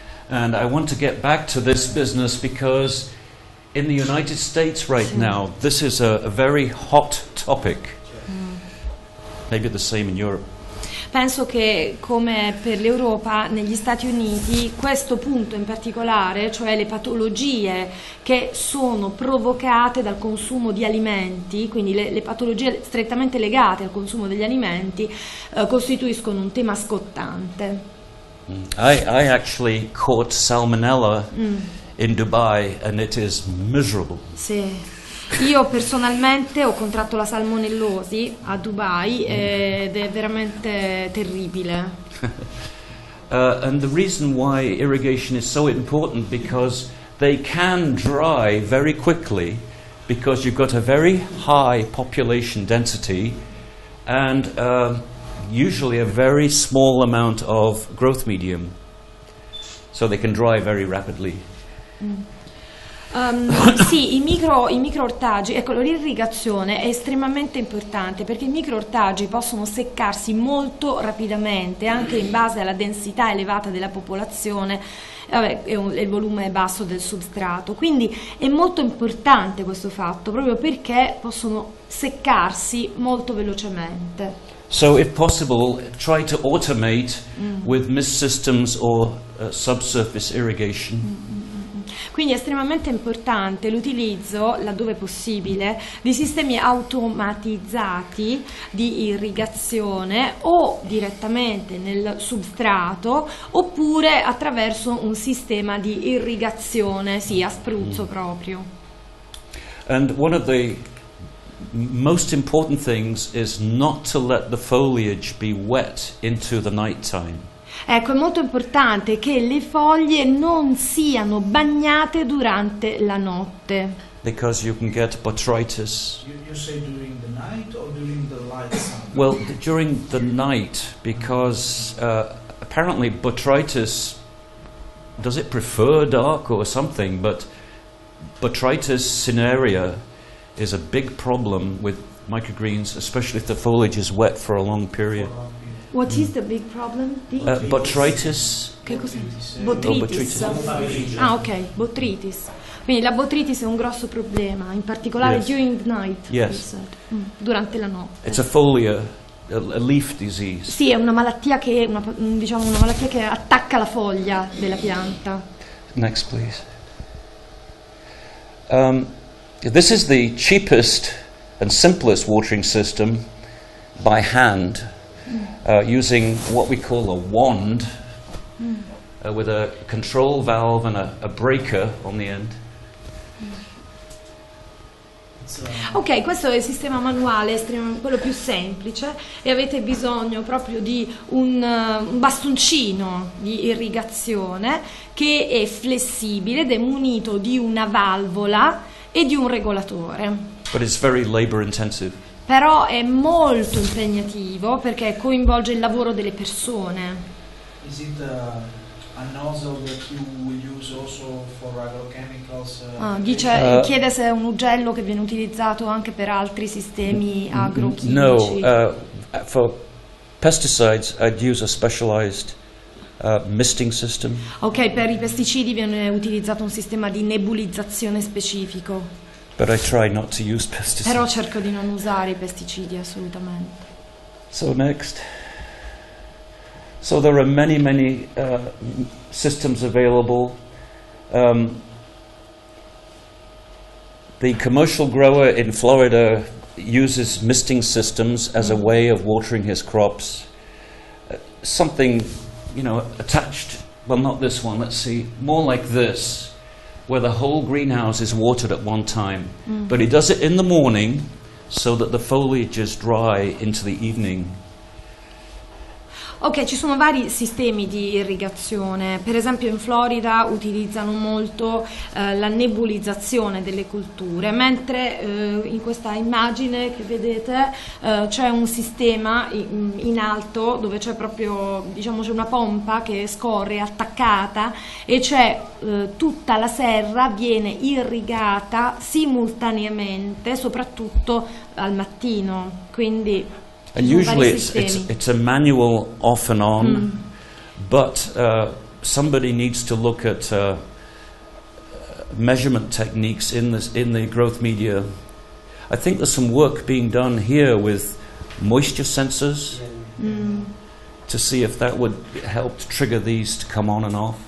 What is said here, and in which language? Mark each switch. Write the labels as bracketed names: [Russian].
[English] And I want to get back to this business because in the United States right now, this is a very hot topic. Maybe the same in Europe. [Italian] Penso che come per l'Europa, negli Stati Uniti, questo punto in particolare, cioè le patologie che sono provocate dal consumo di alimenti, quindi le patologie strettamente legate al consumo degli alimenti, costituiscono un tema scottante. [English] I actually caught salmonella in Dubai and it is miserable. [Italian] Sì. Io personalmente ho contratto la salmonellosi a Dubai ed è veramente terribile. [English] And the reason why irrigation is so important because they can dry very quickly because you've got a very high population density and usually a very small amount of growth medium, so they can dry very rapidly. [Italian] Sì, i microortaggi, ecco, l'irrigazione è estremamente importante perché i microortaggi possono seccarsi molto rapidamente anche in base alla densità elevata della popolazione e il volume basso del substrato. Quindi è molto importante questo fatto proprio perché possono seccarsi molto velocemente. [English] So if possible try to automate with mist systems or subsurface irrigation. [Italian] Quindi è estremamente importante l'utilizzo, laddove possibile, di sistemi automatizzati di irrigazione o direttamente nel substrato oppure attraverso un sistema di irrigazione, sì, a spruzzo proprio. [English] And one of the most important things is not to let the foliage be wet into the night time. [Italian] Ecco, è molto importante che le foglie non siano bagnate durante la notte. [English] Because you can get botrytis. You say during the night or during the light sun? Well, during the night, because apparently botrytis, does it prefer dark or something? But botrytis cinerea is a big problem with microgreens, especially if the foliage is wet for a long period. What is the big problem? Botrytis. [Italian] Che cos'è? Botrytis. Ah, ok, botrytis. Quindi la botrytis è un grosso problema, in particolare [English] during the night. Yes. [Italian] Durante la notte. [English] It's a foliar, a leaf disease. [Italian] Sì, è una malattia che una malattia che attacca la foglia della pianta. [English] Next, please. This is the cheapest and simplest watering system by hand. Using what we call a wand with a control valve and a breaker on the end. [Italian] Ok, questo è il sistema manuale, quello più semplice, e avete bisogno proprio di un bastoncino di irrigazione che è flessibile ed è munito di una valvola e di un regolatore. [English] But it's very labor intensive. [Italian] Però è molto impegnativo perché coinvolge il lavoro delle persone. [English] Is it a nozzle that you will use also for agrochemicals? [Italian] Chiede se è un ugello che viene utilizzato anche per altri sistemi agrochimici. [English] No, for pesticides I'd use a specialized misting system. [Italian] Ok, per i pesticidi viene utilizzato un sistema di nebulizzazione specifico. [English] But I try not to use pesticides. [Italian] Però cerco di non usare i pesticidi assolutamente. [English] So next. So there are many, many systems available. The commercial grower in Florida uses misting systems as a way of watering his crops. Something, you know, attached. Well, not this one. Let's see. More like this. Where the whole greenhouse is watered at one time, but he does it in the morning so that the foliage is dry into the evening. [Italian] Ok, ci sono vari sistemi di irrigazione. Per esempio in Florida utilizzano molto la nebulizzazione delle colture, mentre in questa immagine che vedete c'è un sistema in alto dove c'è proprio, diciamo, c'è una pompa che scorre attaccata e c'è tutta la serra viene irrigata simultaneamente, soprattutto al mattino. Quindi [English] and usually it's a manual off and on, but somebody needs to look at measurement techniques in the growth media. I think there's some work being done here with moisture sensors to see if that would help to trigger these to come on and off.